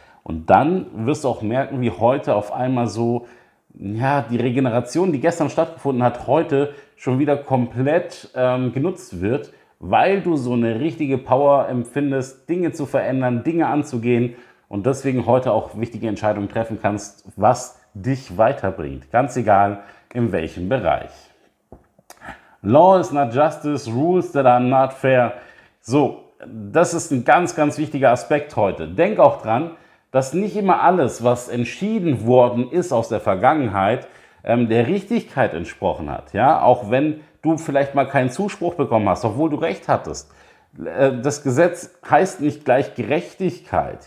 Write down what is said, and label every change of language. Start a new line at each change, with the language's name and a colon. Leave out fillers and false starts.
German: Und dann wirst du auch merken, wie heute auf einmal so, ja, die Regeneration, die gestern stattgefunden hat, heute schon wieder komplett genutzt wird, weil du so eine richtige Power empfindest, Dinge zu verändern, Dinge anzugehen und deswegen heute auch wichtige Entscheidungen treffen kannst, was dich weiterbringt, ganz egal in welchem Bereich.
English: Law is not justice, rules that are not fair.
German: So, das ist ein ganz, ganz wichtiger Aspekt heute. Denk auch dran, dass nicht immer alles, was entschieden worden ist aus der Vergangenheit, der Richtigkeit entsprochen hat. Ja, auch wenn du vielleicht mal keinen Zuspruch bekommen hast, obwohl du recht hattest. Das Gesetz heißt nicht gleich Gerechtigkeit.